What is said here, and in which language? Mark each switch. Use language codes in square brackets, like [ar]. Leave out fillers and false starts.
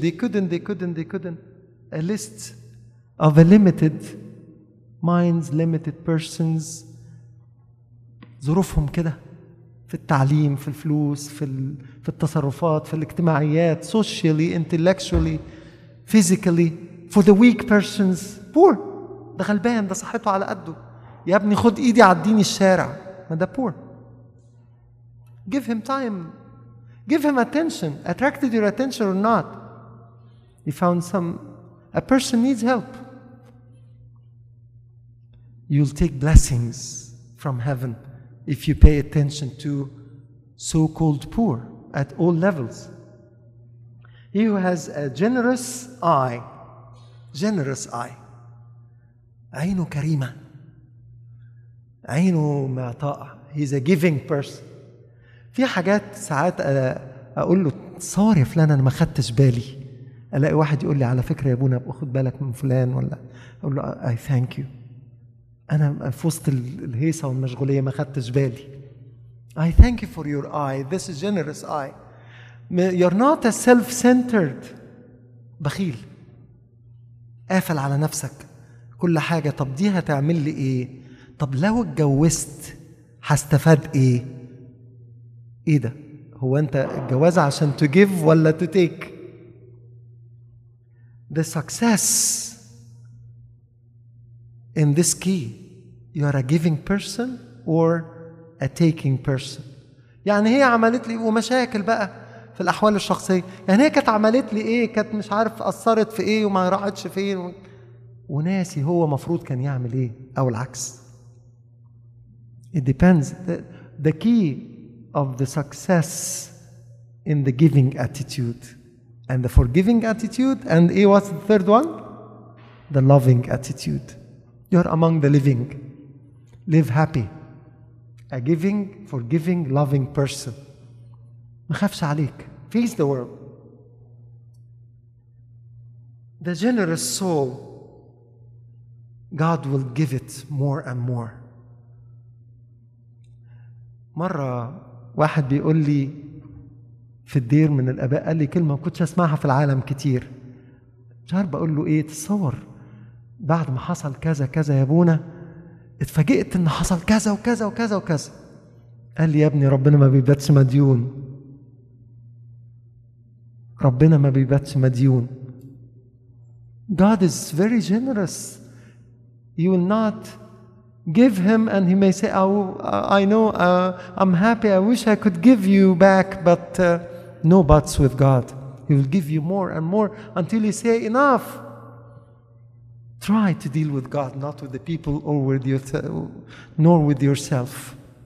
[en] They couldn't. A list of a limited minds, limited persons, [ar] ظروفهم كده، في التعليم، في الفلوس، في التصرفات، في الاجتماعيات، [en] socially, intellectually, physically. For the weak persons, poor. [ar] ده غلبان، ده صحته على قده. يا ابني خد ايدي عديني الشارع. ما ده [en] poor. Give him time. Give him attention. Attracted your attention or not. He found a person needs help. You'll take blessings from heaven. if you pay attention to so-called poor at all levels. He who has a generous eye, generous eye, [ar] عينه كريمة, عينه معطاء, [en] he's a giving person. [ar] في حاجات ساعات أقول له صار يا فلان أنا ما خدتش بالي, ألاقي واحد يقول لي على فكرة يا ابونا أخذ بالك من فلان, ولا أقول له [en] I thank you, [ar] أنا في وسط الهيصة والمشغولية ما خدتش بالي. [en] I thank you for your eye, this is generous eye. You're not a self-centered, [ar] بخيل, قافل على نفسك كل حاجة, طب دي هتعمل لي إيه, طب لو اتجوزت هستفاد إيه, إيه ده, هو أنت الجواز عشان [en] to give [ar] ولا [en] to take. The success in this key, you are a giving person or a taking person. [ar] يعني هي عملت لي, ومشاكل بقى في الأحوال الشخصية, يعني هي كانت عملت لي إيه, كانت مش عارف أثرت في إيه وما راحتش فين, وناسي هو مفروض كان يعمل إيه, أو العكس. [en] It depends. The key of the success in the giving attitude and the forgiving attitude, and A, what's the third one? The loving attitude. You're among the living. Live happy. A giving, forgiving, loving person. [ar] ما خافش عليك. [en] Face the world. The generous soul, God will give it more and more. [ar] مرة واحد بيقول لي في الدير من الأباء, قال لي كلمة ما كنتش أسمعها في العالم كتير, مش عارف بقول له إيه, تصور بعد ما حصل كذا كذا يا ابونا اتفاجئت إن حصل كذا وكذا وكذا وكذا. قال لي يا ابني ربنا ما بيباتش مديون, ربنا ما بيباتش مديون. [en] God is very generous. You will not give him and he may say, oh, I know, I'm happy, I wish I could give you back, but no buts with God. He will give you more and more until you say enough. Try to deal with God, not with the people or with nor with yourself.